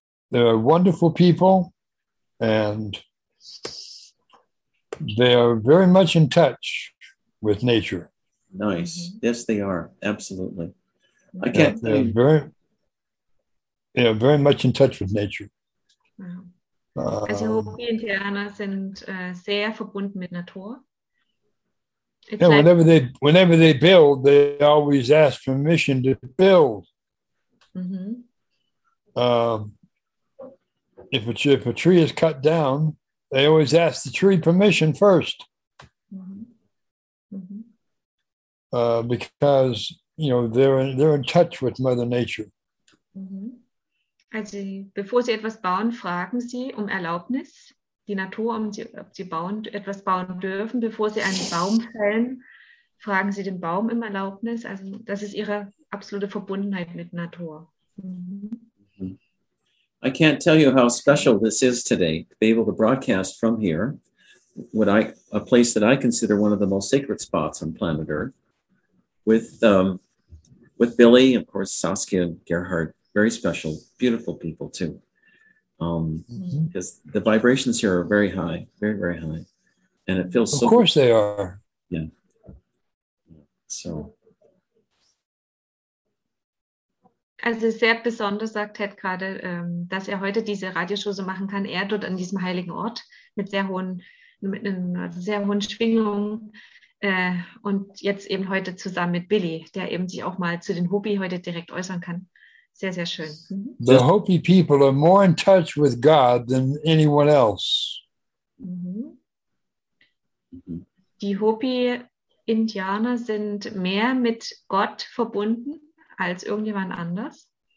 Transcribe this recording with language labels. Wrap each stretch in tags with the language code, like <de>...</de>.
<en>They're wonderful people, and they are very much in touch with nature. Nice. Yes, they are. Absolutely. I can't. Yeah, They are very much in touch with nature. Wow.</en> <de>Also Hopi and Tiana sind sehr verbunden mit Natur.</de> <en>It's yeah, like, whenever they build, they always ask permission to build. Mm-hmm. If a tree is cut down, they always ask the tree permission first. Mm-hmm. Mm-hmm. Because you know they're in touch with Mother Nature. Mm-hmm.</en> <de>Also, bevor sie etwas bauen, fragen sie um Erlaubnis. Die Natur, ob sie bauen, etwas bauen dürfen, bevor sie einen Baum fällen, fragen sie den Baum um Erlaubnis. Also das ist ihre absolute Verbundenheit mit Natur.</de> <en>I can't tell you how special this is today, to be able to broadcast from here, a place that I consider one of the most sacred spots on planet Earth, with Billy, of course, Saskia and Gerhard, very special, beautiful people too. Because mm-hmm. the vibrations here are very high, very, very high. And it feels of so of course good. They are. Yeah. So.</en> <de>Also sehr besonders sagt Ted gerade, dass er heute diese Radioshow so machen kann, er dort an diesem heiligen Ort mit einer sehr hohen Schwingung und jetzt eben heute zusammen mit Billy, der eben sich auch mal zu den Hopi heute direkt äußern kann. Sehr, sehr schön.</de> <en>The Hopi people are more in touch with God than anyone else.</en> <de>Die Hopi-Indianer sind mehr mit Gott verbunden als irgendjemand anders.</de>